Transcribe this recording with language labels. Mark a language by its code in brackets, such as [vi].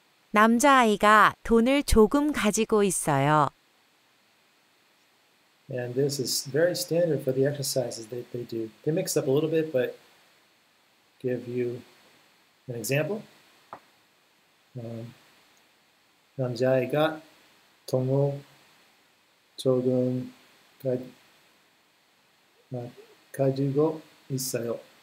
[ko] 남자아이가 돈을 조금 가지고 있어요. [en] And this is very standard for the exercises that they do. They mix up a little bit, but give you an example. [ko] 남자아이가 돈을 조금 가지고 있어요.